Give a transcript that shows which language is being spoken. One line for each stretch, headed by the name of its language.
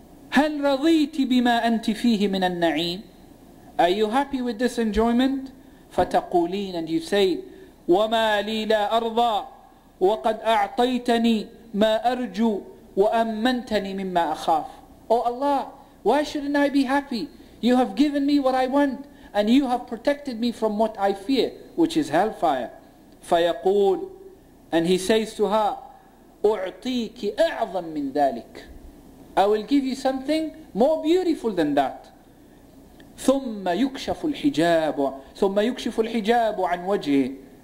Arabic: هل رضيت بما أنت فيه من النعيم.
English: Are you happy with this enjoyment?
Arabic: فتقولين,
English: and you say,
Arabic: وما لي لا أرضى وقد أعطيتني ما أرجو وأمنتني مما أخاف.
English: Oh Allah, why shouldn't I be happy? You have given me what I want, and you have protected me from what I fear, which is hellfire.
Arabic: فيقول,
English: and he says to her,
Arabic: أعطيك أعظم من ذلك.
English: I will give you something more beautiful than that.
Arabic: ثم يكشف الحجاب, ثم يكشف الحجاب عن وجهه.